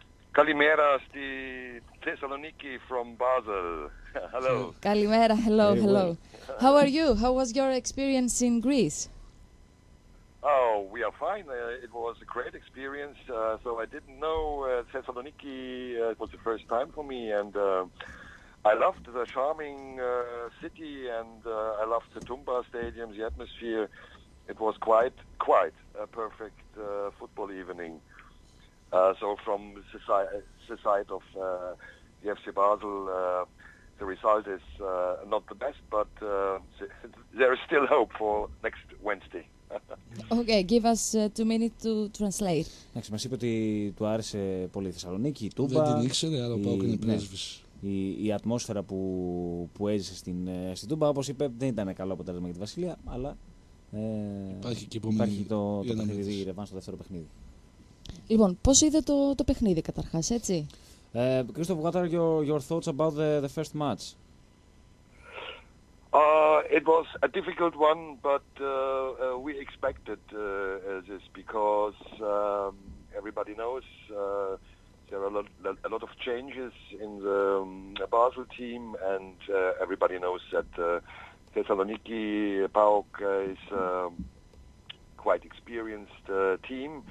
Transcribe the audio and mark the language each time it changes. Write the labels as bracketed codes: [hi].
[el] Καλημέρα στη Θεσσαλονίκη [en] from Basel. Hello. [el] Καλημέρα, [en] hello, hello. How are you? How was your experience in Greece? Oh, we are fine. It was a great experience. So I didn't know Thessaloniki. It was the first time for me. And I loved the charming city and I loved the Tumba Stadium, the atmosphere. It was quite a perfect football evening. So from the side of the FC Basel, the result is not the best, but there is still hope for next Wednesday. Okay, give us 2 minutes to translate. [el] Εντάξει, μας είπε ότι του άρεσε πολύ η Θεσσαλονίκη, η Τούμπα. Δεν την ήξερε, αλλά πάω και είναι πρέσβης. Η ατμόσφαιρα που έζησε στην Τούμπα, όπως είπε, δεν ήταν καλό αποτέλεσμα για τη Βασιλεία, αλλά υπάρχει και υπάρχει το παιχνίδι, η ρεβάνς, το δεύτερο παιχνίδι. Λοιπόν, πώς είδε το παιχνίδι καταρχάς, έτσι? [en] Κρίστοφ, what are your thoughts about the first match? It was a difficult one, but we expected this because everybody knows there are a lot of changes in the Basel team, and everybody knows that Thessaloniki PAOK is a quite experienced team.